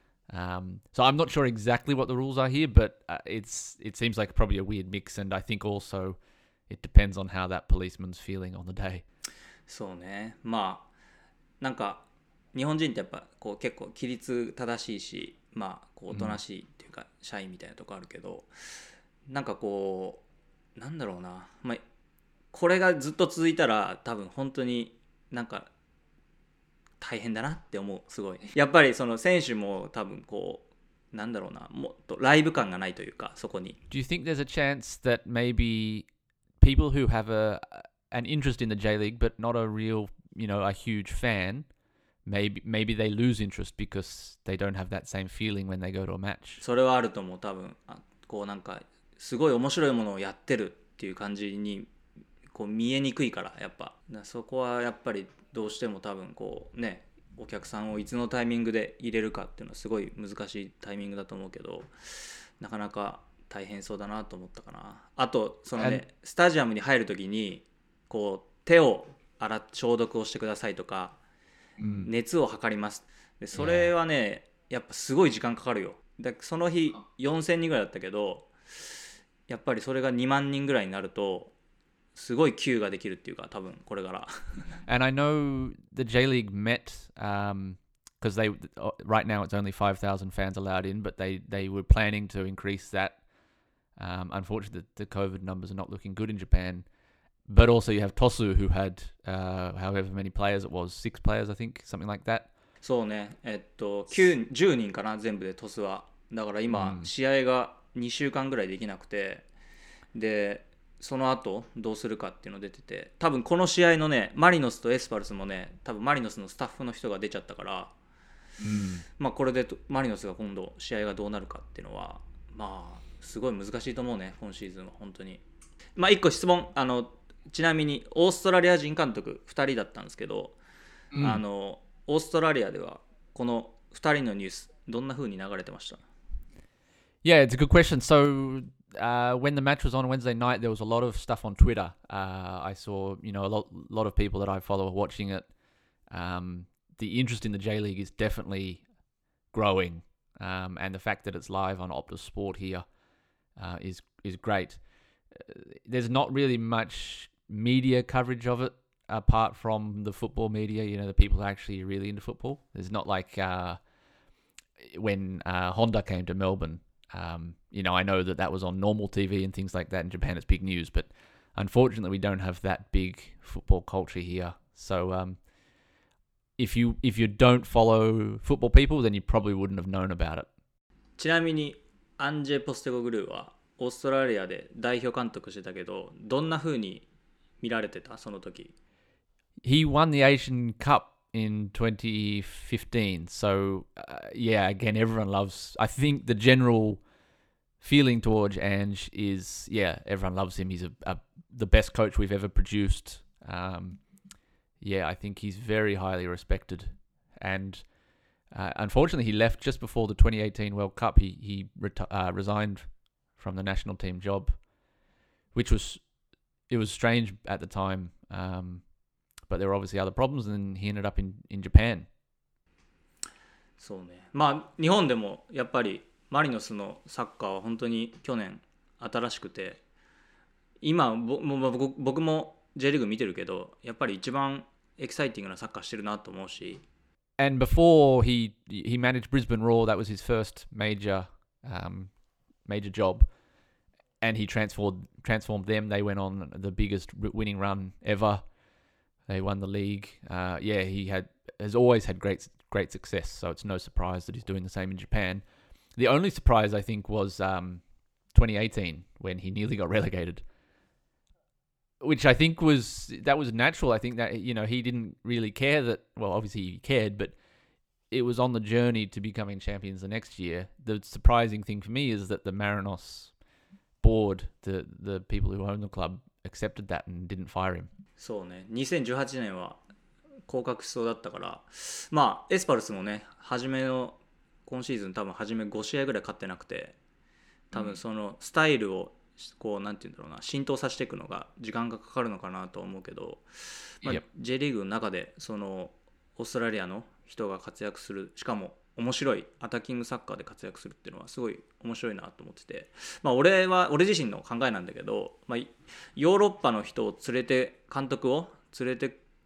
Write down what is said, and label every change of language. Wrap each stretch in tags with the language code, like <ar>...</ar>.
<en>So I'm not sure exactly what the rules are here, but it seems like probably a weird mix. And I think also... It depends on how that policeman's feeling on the day.</en> <ja>そうね。まあ、なんか日本人ってやっぱこう結構規律正しいし、まあこうおとなしいっていうか社員みたいなとこあるけど、なんかこうなんだろうな、まあこれがずっと続いたら多分本当になんか大変だなって思う。すごいやっぱりその選手も多分こうなんだろうな、もっとライブ感がないというか、そこに。</ja> <en>Do you think there's a chance that maybe people who have an interest in the J League but not a real, you know, a huge fan, maybe they lose interest because they don't have that same feeling when they go to a match?</en> <ja>それはあると思う。多分こうなんかすごい面白いものをやってるっていう感じにこう見えにくいから、やっぱそこはやっぱりどうしても多分こうね、お客さんをいつのタイミングで入れるかっていうのはすごい難しいタイミングだと思うけど、なかなか大変そうだなと思ったかな。あとそのね、スタジアムに入るときにこう手を洗消毒をしてくださいとか、熱を測ります。でそれはね、やっぱすごい時間かかるよ。でその日4000人ぐらいだったけど、やっぱりそれが2万人ぐらいになるとすごい急ができるっていうか、多分これから。</ja> <en>And I know the J League met because they right now it's only 5,000 fans allowed in, but they were planning to increase that. Unfortunately, the COVID numbers are not looking good in Japan. But also you have Tosu who had however many players it was, 6 players I think, something like that.</en> <ja>そうね、9 10人かな全部でトスは。だから今試合が2週間ぐらいできなくて、で。その後どうするかっていうの出てて、多分この試合のね、マリノスとエスパルスもね、多分マリノスのスタッフの人が出ちゃったから、うん、まあこれでマリノスが今度試合がどうなるかっていうのはまあすごい難しいと思うね、今シーズンは本当に。まあ一個質問、あのちなみにオーストラリア人監督2人だったんですけど、うん、あのオーストラリアではこの2人のニュースどんな風に流れてました？</ja> <en>Yeah, it's a good question. SoWhen the match was on Wednesday night, there was a lot of stuff on Twitter. I saw, you know, a lot of people that I follow are watching it. The interest in the J-League is definitely growing. And the fact that it's live on Optus Sport here is great. There's not really much media coverage of it apart from the football media. You know, the people who are actually really into football. There's not like when Honda came to Melbourne. You know, I know that was on normal TV and things like that in Japan, it's big news, but unfortunately we don't have that big football culture here. So if you don't follow football people, then you probably wouldn't have known about it.</en> <ja>ちなみにアンジェ・ポステゴグルーはオーストラリアで代表監督してたけど、どんな風に見られてたその時？</ja> <en>He won the Asian Cup in 2015. So yeah, again, everyone loves, I think the general feeling towards Ange is, yeah, everyone loves him. He's the best coach we've ever produced. Yeah, I think he's very highly respected. And unfortunately, he left just before the 2018 World Cup. He resigned from the national team job, which was, it was strange at the time. But there were obviously other problems, and then he ended up in Japan.</en> <ja>そうね。まあ日本でもやっぱりマリノスのサッカーは本当に去年新しくて、今僕も J リーグ見てるけど、やっぱり一番エキサイティングなサッカーしてるなと思うし。</ja> <en>And before he managed Brisbane Roar, that was his first major job, and he transformed them. They went on the biggest winning run ever. They won the league. Yeah, he has always had great success. So it's no surprise that he's doing the same in Japan. The only surprise, I think, was 2018 when he nearly got relegated, which I think was natural. I think that, you know, he didn't really care that, well, obviously he cared, but it was on the journey to becoming champions the next year. The surprising thing for me is that the Marinos board, the people who own the club, accepted that and didn't fire him.</en> <ja>そうね、2018年は降格しそうだったから、まあエスパルスもね、初めの今シーズン多分初め5試合ぐらい勝ってなくて、多分そのスタイルをこうなんて言うんだろうな、浸透させていくのが時間がかかるのかなと思うけど、まあ、J リーグの中でそのオーストラリアの人が活躍する、しかも面白いアタッキングサッカーで活躍するっていうのはすごい面白いなと思ってて、まあ俺自身の考えなんだけど、まあヨーロッパの人を連れて監督を連れて</ja>